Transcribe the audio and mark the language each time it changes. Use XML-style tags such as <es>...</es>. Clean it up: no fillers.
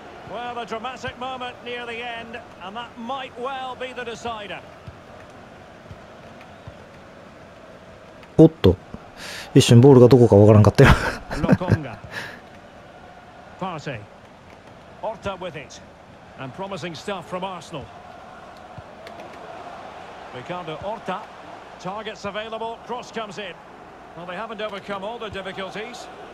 <en>Well, a dramatic moment near the end, and that might well be the decider.</en> <ja>おっと、一瞬ボールがどこかわからんかったよ。</ja> <en>Partey, Orta with it, and promising stuff from Arsenal. Ricardo Orta, targets available. Cross comes in. Well, they haven't overcome all the difficulties.</en>